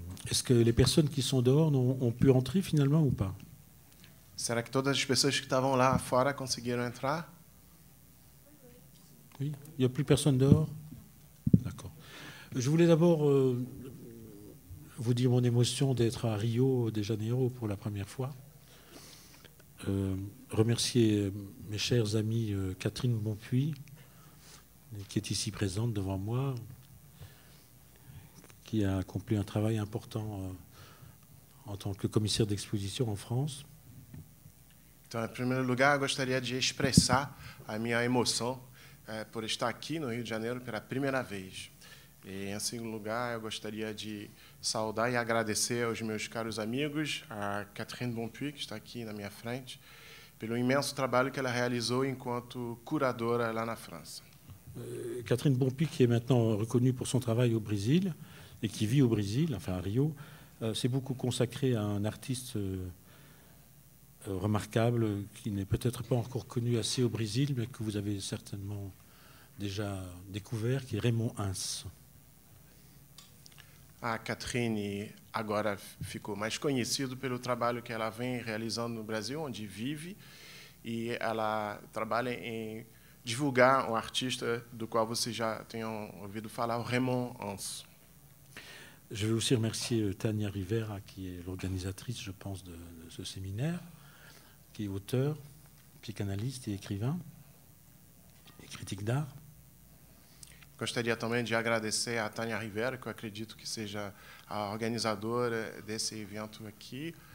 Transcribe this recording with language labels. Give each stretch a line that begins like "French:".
French: Est-ce que les personnes qui sont dehors ont pu entrer finalement ou pas?
Portuguese: Será que todas as pessoas que estavam lá fora conseguiram entrar?
French: Oui, il n'y a plus personne dehors? D'accord. Je voulais d'abord vous dire mon émotion d'être à Rio de Janeiro pour la première fois. Remercier mes chers amis Catherine Bonpuy, qui est ici présente devant moi, qui a accompli un travail important en tant que commissaire d'exposition en France.
Portuguese: Então, em primeiro lugar, gostaria de expressar a minha emoção por estar aqui no Rio de Janeiro pela primeira vez. E, em segundo lugar, eu gostaria de saudar e agradecer aos meus caros amigos, a Catherine Bonpuy, que está aqui na minha frente, pelo imenso trabalho que ela realizou enquanto curadora lá na França.
French: Catherine Bonpuy, que é maintenant reconnue
Portuguese: por seu trabalho no Brasil,
French: et qui vit au Brésil, enfin à Rio, s'est beaucoup consacré à un artiste remarquable qui n'est peut-être pas encore connu assez au Brésil, mais que vous avez certainement déjà découvert, qui est Raymond Hens.
Portuguese: Ah, Catherine, agora ficou mais conhecido pelo trabalho que ela vem realizando no Brasil, onde vive, e ela trabalha em divulgar um artista do qual você já tem ouvido falar, o Raymond Hens.
French: Je veux aussi remercier Tania Rivera, qui est l'organisatrice, je pense, de ce séminaire, qui est auteur, psychanalyste et écrivain, et critique d'art.
Portuguese: Gostaria também de agradecer à Tania Rivera, que eu acredito que seja a organizadora desse evento aqui.